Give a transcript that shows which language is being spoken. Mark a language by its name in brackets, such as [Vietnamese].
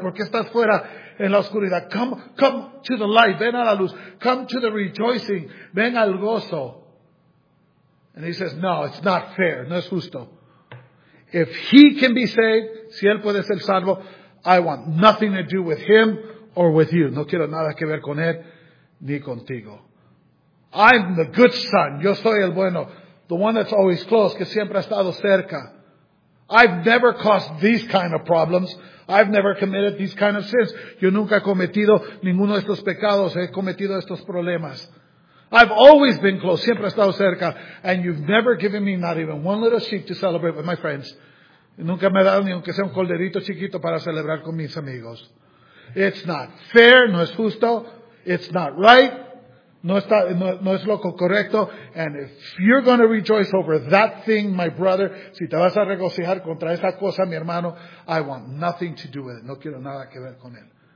[Spanish] ¿Por qué estás fuera en la oscuridad? [English] Come to the light. [Spanish] Ven a la luz. [English] Come to the rejoicing. [Spanish] Ven al gozo. [English] And he says, no, it's not fair. [Spanish] No es justo. [English] If he can be saved, [Spanish] si él puede ser salvo, [English] I want nothing to do with him or with you. [Spanish] No quiero nada que ver con él ni contigo. [English] I'm the good son. [Spanish] Yo soy el bueno. [English] The one that's always close, [Spanish] que siempre ha estado cerca. [English] I've never caused these kind of problems. I've never committed these kind of sins. [Spanish] Yo nunca he cometido ninguno de estos pecados. He cometido estos problemas. [English] I've always been close. [Spanish] Siempre he estado cerca. [English] And you've never given me not even one little sheep to celebrate with my friends. [Spanish] Nunca me ha dado ni aunque sea un corderito chiquito para celebrar con mis amigos. [English] It's not fair. [Spanish] No es justo. [English] It's not right. No es lo correcto. And if you're going to rejoice over that thing, my brother, [Spanish] si te vas a regocijar contra esa cosa, mi hermano, [English] I want nothing to do with it. [Spanish] No quiero nada que ver con él.